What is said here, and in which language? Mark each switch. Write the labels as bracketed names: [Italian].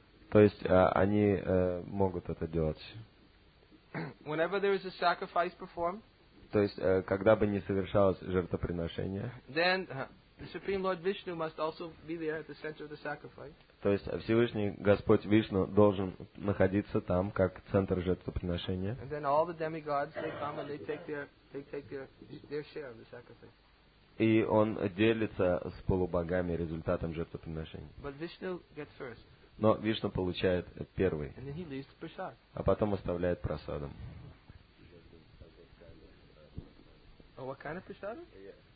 [Russian] То есть они могут это делать. [English] Whenever there is a sacrifice performed, [Russian] то есть когда бы ни совершалось жертвоприношение, [English] then the Supreme Lord Vishnu must also be there at the center of the sacrifice. [Russian] То есть Всевышний Господь Вишну должен находиться там как центр жертвоприношения. [English] And then all the demigods, they come and they take their share of the sacrifice. [Russian] И он делится с полубогами результатом жертвоприношения. [English] But Vishnu gets first. [Russian] Но Вишну получает первый. [English] And then he leaves the prasad. [Russian] А потом оставляет прасадом. [English] Oh, what kind of prasad? Yeah.